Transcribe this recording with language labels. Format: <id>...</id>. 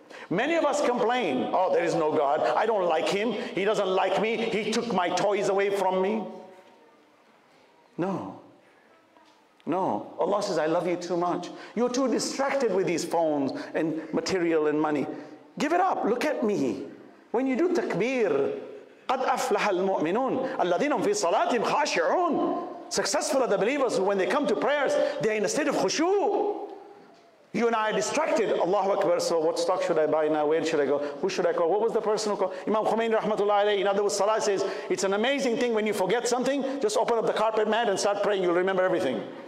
<en>Many of us complain, oh, there is no God. I don't like Him. He doesn't like me. He took my toys away from me. No. Allah says, I love you too much. You're too distracted with these phones and material and money. Give it up. Look at me. When you do takbir,</en> <ar>قَدْ أَفْلَحَ الْمُؤْمِنُونَ الَّذِينَ فِي صَلَاتِهِمْ خَاشِعُونَ.</ar> <en>Successful are the believers who, when they come to prayers, they're in a state of khushu. You and I are distracted. Allahu Akbar. So what stock should I buy now? Where should I go? Who should I call? What was the person who called? Imam Khomeini rahmatullahi alayhi. In other words, Salah says, it's an amazing thing when you forget something, just open up the carpet mat and start praying. You'll remember everything.</en>